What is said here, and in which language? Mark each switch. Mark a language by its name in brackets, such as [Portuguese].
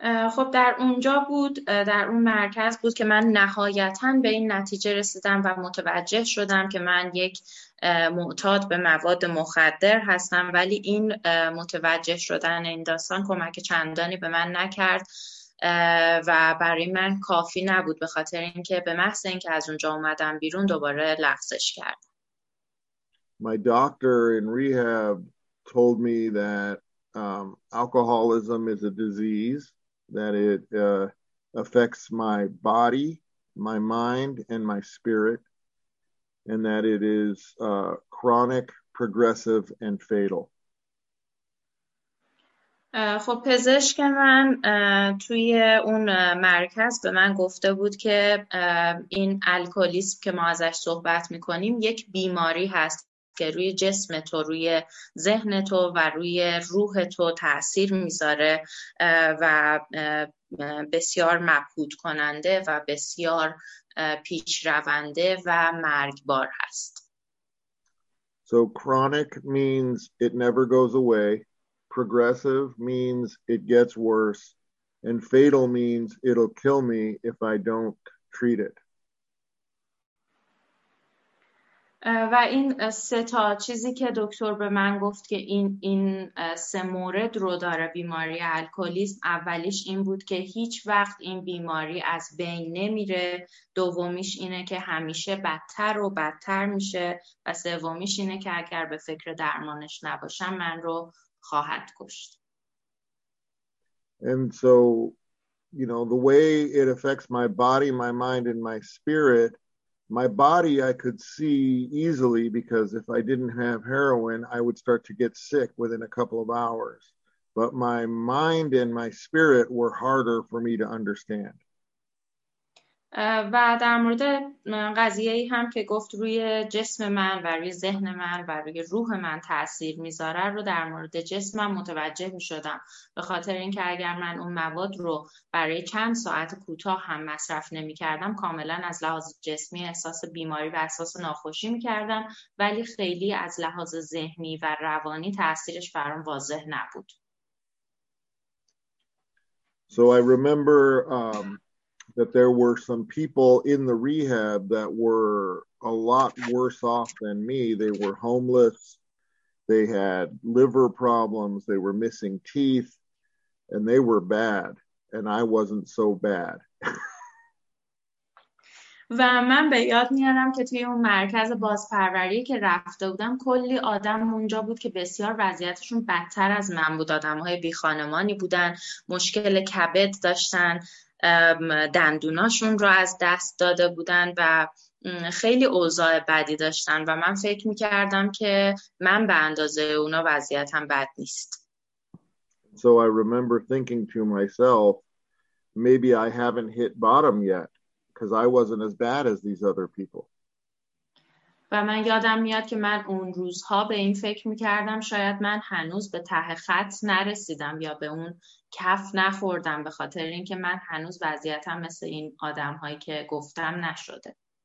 [Persian] خب در اونجا بود، در اون مرکز بود که من نهایتاً به این نتیجه رسیدم و متوجه شدم که من یک معتاد به مواد مخدر هستم، ولی این متوجه شدن این داستان کمک چندانی به من نکرد و برای من کافی نبود، به خاطر اینکه به محض اینکه از اونجا اومدم بیرون دوباره لغزش کرد. [English] My doctor in rehab told me that alcoholism is a disease. That it affects my body, my mind, and my spirit, and that it is chronic, progressive, and fatal. [Persian] خب پزشک من توی اون مرکز به من گفته بود که این الکلیسم که ما ازش صحبت میکنیم یک بیماری هست که روی جسم تو، روی ذهن تو و روی روح تو تأثیر میذاره و بسیار مبهوت کننده و بسیار پیچرونده و مرگبار هست. [English] So chronic means it never goes away. Progressive means it gets worse. And fatal means it'll kill me if I don't treat it. [Persian] و این سه تا چیزی که دکتر به من گفت که این سه مورد رو داره بیماری الکلیسم، اولیش این بود که هیچ وقت این بیماری از بین نمیره، دومیش اینه که همیشه بدتر و بدتر میشه، و سومیش اینه که اگر به فکر درمانش نباشم من رو خواهد کشت. [English] And so, you know, the way it affects my body, my mind, and my spirit. My body I could see easily because if I didn't have heroin, I would start to get sick within a couple of hours. But my mind and my spirit were harder for me to understand. [Persian] و در مورد قضیه ای هم که گفت روی جسم من و روی ذهن من و روی روح من تأثیر میذاره رو در مورد جسمم متوجه میشدم، به خاطر اینکه اگر من اون مواد رو برای چند ساعت کوتاه هم مصرف نمیکردم کاملا از لحاظ جسمی احساس بیماری و احساس ناخوشی میکردم، ولی خیلی از لحاظ ذهنی و روانی تأثیرش برام واضح نبود. [English] So I remember that there were some people in the rehab that were a lot worse off than me. They were homeless, they had liver problems, they were missing teeth, and they were bad, and I wasn't so bad. [Persian] و من به یاد میارم که توی اون مرکز بازپروری که رفته بودم کلی آدم اونجا بود که بسیار وضعیتشون بدتر از من بود. آدم‌های بی‌خانمانی بودن، مشکل کبد داشتن، دندوناشون رو از دست داده بودن و خیلی اوضاع بدی داشتن و من فکر میکردم که من به اندازه اونا وضعیتم بد نیست. [English] So I remember thinking to myself, maybe I haven't hit bottom yet. Because I wasn't as bad as these other people. [Persian] و من یادم میاد که من اون روزها به این فکر میکردم شاید من هنوز به ته خط نرسیدم یا به اون کف نخوردم، به خاطر اینکه من هنوز وضعیتم مثل این آدمهایی که گفتم نشده.